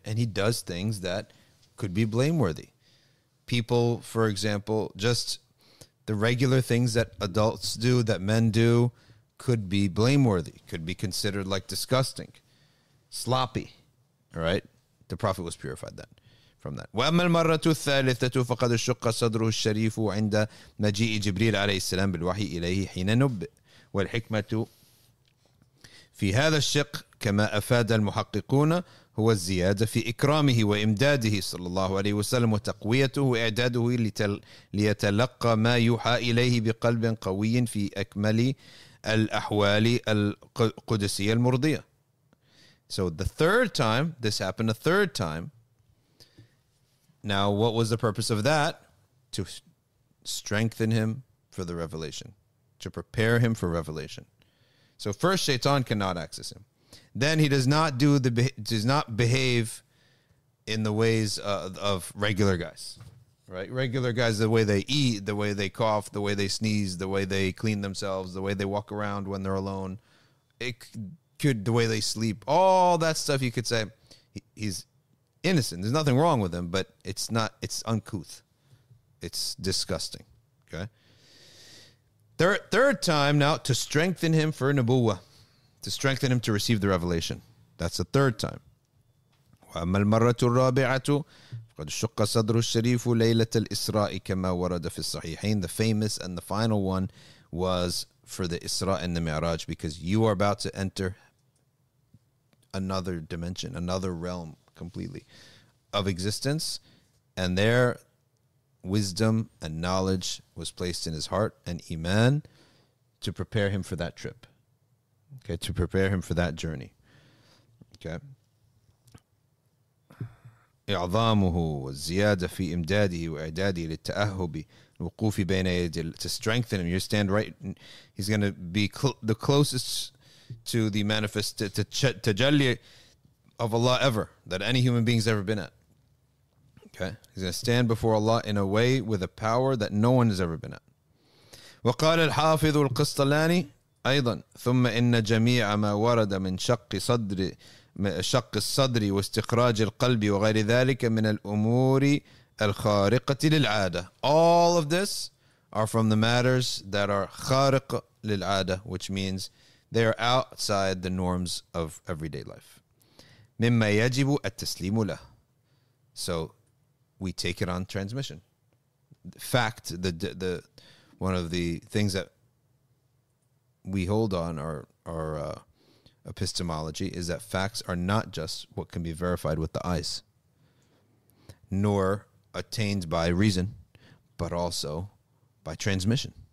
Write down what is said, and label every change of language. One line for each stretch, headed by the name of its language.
English: And he does things that could be blameworthy. People, for example, just the regular things that adults do, that men do, could be blameworthy, could be considered like disgusting, sloppy, all right? The Prophet was purified then. from that.
Arabic: وأما المرة الثالثة فقد الشق صدره الشريف عند مجيء جبريل عليه السلام بالوحي إليه حين نبئ والحكمة في هذا الشق كما أفاد المحققون هو الزيادة في إكرامه وإمداده صلى الله عليه وسلم وتقويته وإعداده ليتلقى ما يوحى إليه بقلب قوي في أكمل الأحوال القدسية المرضية.
English: So the third time, this happened a third time. Now, what was the purpose of that? To strengthen him for the revelation. To prepare him for revelation. So first, Shaitan cannot access him. Then he does not behave in the ways of regular guys. Right? Regular guys, the way they eat, the way they cough, the way they sneeze, the way they clean themselves, the way they walk around when they're alone. The way they sleep, all that stuff, you could say he's innocent. There's nothing wrong with him, but it's uncouth. It's disgusting. Okay. Third time now to strengthen him for Nubuwa, to strengthen him to receive the revelation. That's the third time.
Arabic: وأما المرة الرابعة قد شق صدر الشريف ليلة الإسراء كما ورد في الصحيحين.
English: The famous and the final one was for the Isra and the Mi'raj, because you are about to enter another dimension, another realm completely of existence. And there, wisdom and knowledge was placed in his heart and iman to prepare him for that trip. Okay, to prepare him for that journey. Okay.
Arabic: إعظامه والزيادة في إمداده وإعداده للتأهب الوقوف بين يدي
English: to strengthen him. You stand right. He's going to be the closest to the manifest tajalli of Allah ever that any human being's ever been at. Okay, he's going to stand before Allah in a way with a power that no one has ever been at.
Arabic: وقال الحافظ القسطلاني أيضا ثم إن جميع ما ورد من شق صدر شق الصدر واستخراج القلب وغير ذلك من الأمور الخارقة للعادة.
English: All of this are from the matters that are خارق للعادة, which means they are outside the norms of everyday life.
Arabic: مما يجب التسليم له.
English: So we take it on transmission. Fact, the one of the things that we hold on our epistemology is that facts are not just what can be verified with the eyes, nor attained by reason, but also by transmission.